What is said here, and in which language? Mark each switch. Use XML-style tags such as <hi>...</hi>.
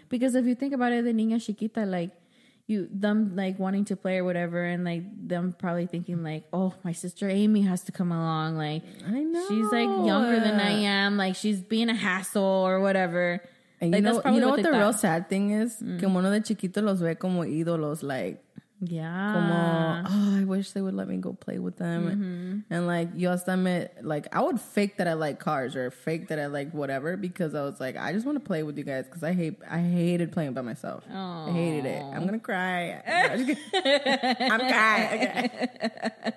<en>Because if you think about it, the niña chiquita, like, them wanting to play or whatever, and like them probably thinking like, oh, my sister Amy has to come along. Like, I know she's like younger than I am. Like, she's being a hassle or whatever. And you, like, know, you know what the real sad thing is?</en> <es>Que uno de chiquito los ve como ídolos.</es> <en>Like, yeah, como, oh, I wish they would let me go play with them. Mm-hmm. And like, yo hasta me, like, I would fake that I like cars or fake that I like whatever, because I was like, I just want to play with you guys, because I hated playing by myself. Aww. I hated it. I'm gonna cry. I'm crying.</en>